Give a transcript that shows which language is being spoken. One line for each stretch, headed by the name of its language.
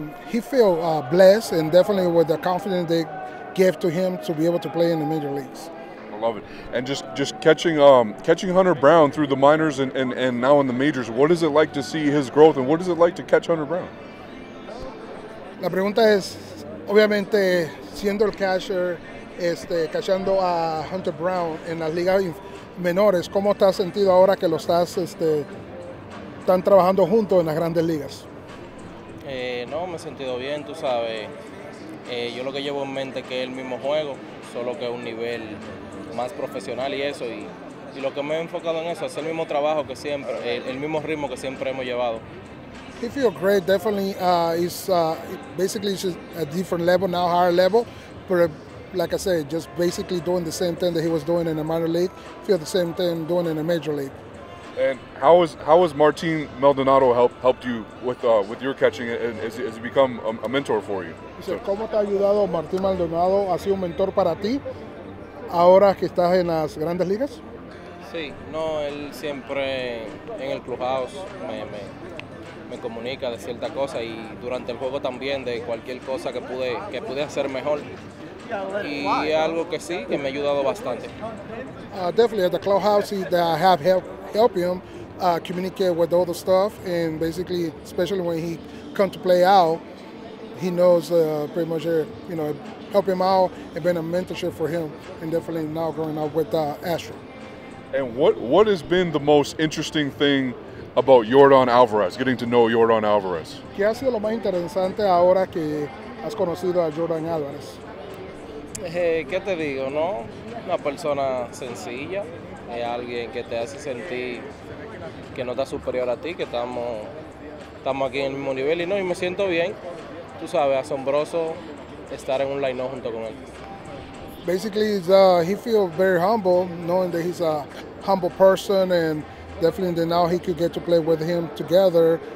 English: He felt blessed and definitely with the confidence they gave to him to be able to play in the major leagues. I love it. And just catching Hunter Brown through the minors and now in the majors, what is it like to see his growth and what is it like to catch Hunter Brown?
Spanish: La pregunta es, obviamente, siendo el catcher, cachando a Hunter Brown en las ligas menores, ¿cómo te has sentido ahora que lo estás están trabajando juntos en las grandes ligas? No, me he sentido bien, tú sabes. Yo lo que llevo en mente es que es el mismo juego, solo que un nivel más profesional y eso. Y lo que me he enfocado en eso es el mismo trabajo que siempre, el mismo ritmo que siempre hemos llevado.
English: He feels great, definitely. Basically, it's just a different level now, higher level. But like I said, just basically doing the same thing that he was doing in the minor league, feel the same thing doing in the major league. And how has Martin Maldonado helped you with your catching? Has he become a mentor for you? He said,
Spanish: ¿cómo te ha ayudado Martin Maldonado? ¿Ha sido un mentor para ti ahora que estás en las grandes ligas? Sí, no, él siempre en el clubhouse me comunica de cierta cosa y durante el juego también de cualquier cosa que pude hacer mejor. Y algo que sí, que me ha ayudado bastante.
English: Definitely at the clubhouse that I have helped him communicate with all the stuff, and basically, especially when he come to play out, he knows pretty much, you know, help him out and been a mentorship for him, and definitely now growing up with Astro. And what has been the most interesting thing about Yordan Alvarez, getting to know Yordan Alvarez?
Spanish: ¿Qué ha sido lo más interesante ahora que has conocido a Yordan Alvarez? ¿Qué te digo, no? Una persona sencilla, es alguien que te hace sentir que no está superior a ti, que estamos aquí en el mismo nivel y no, y me siento bien. Tú sabes, asombroso estar en un line-up junto con él.
English: Basically, he feels very humble, knowing that he's a humble person and definitely that now he could get to play with him together.